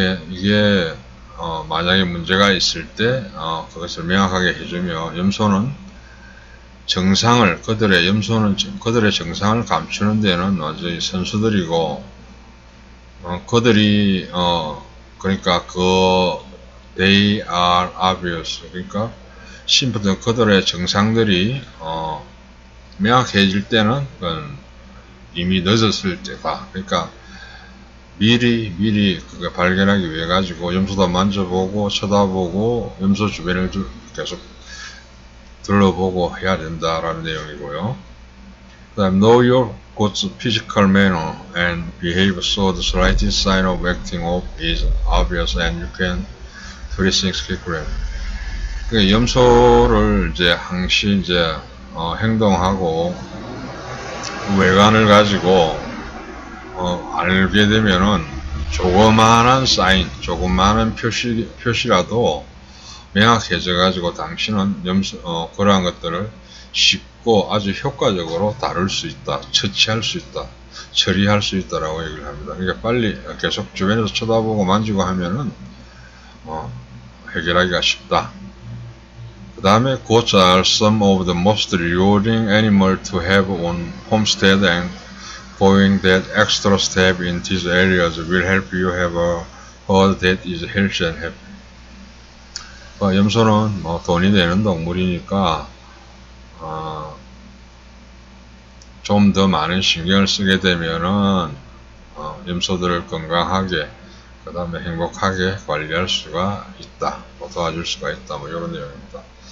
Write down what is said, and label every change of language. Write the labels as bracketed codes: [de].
[ko] 이게 만약에 문제가 있을 때 그것을 명확하게 해주며, 염소는 그들의 정상을 감추는 데는 완전히 선수들이고, 그들이 그러니까 그 [en] they are obvious, [ko] 그러니까 심플한 그들의 정상들이 명확해질 때는 그건 이미 늦었을 때다. 그러니까 미리 그걸 발견하기 위해 가지고 염소도 만져보고 쳐다보고 염소 주변을 계속 둘러보고 해야 된다라는 내용이고요. 그 다음, [en] know your goat's physical manner and behavior so the slightest sign of acting off is obvious and you can treat things quickly. [ko] 그 염소를 이제 항시 이제 행동하고 외관을 가지고 알게 되면은 조그마한 표시라도 명확해져가지고 당신은 그러한 것들을 쉽고 아주 효과적으로 다룰 수 있다, 처치할 수 있다, 처리할 수 있다라고 얘기를 합니다. 그러니까 빨리 계속 주변에서 쳐다보고 만지고 하면은 해결하기가 쉽다. 그 다음에 [en] goats are some of the most rewarding animal to have on homestead and going that extra step in these areas will help you have a herd that is healthy and happy. [ko] 염소는 돈이 되는 동물이니까 좀 더 많은 신경을 쓰게 되면은 염소들을 건강하게 그 다음에 행복하게 관리할 수가 있다, 도와줄 수가 있다, 이런 내용입니다.